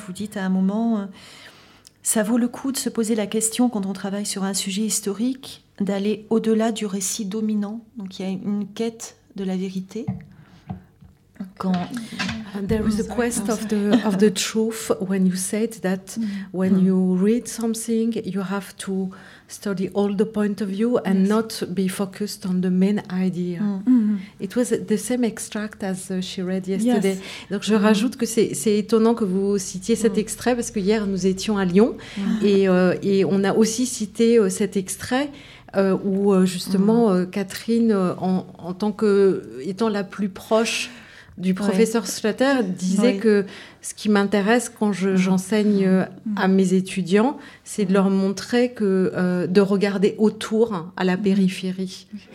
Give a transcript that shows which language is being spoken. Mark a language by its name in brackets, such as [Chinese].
[French] Vous dites à un moment, ça vaut le coup de se poser la question quand on travaille sur un sujet historique, d'aller au-delà du récit dominant. Donc, il y a une quête de la vérité. [English] Quand there is a quest of the truth when you said that when you read something, you have to study all the point of view and not be focused on the main idea. It was the same extract as she read yesterday. Yes. [French] Donc, je rajoute que c'est étonnant que vous citiez cet extrait parce que hier, nous étions à Lyon et on a aussi cité cet extrait où Catherine, en tant que étant la plus proche du professeur Slater, disait que ce qui m'intéresse quand j'enseigne à mes étudiants, c'est de leur montrer que de regarder autour, à la périphérie.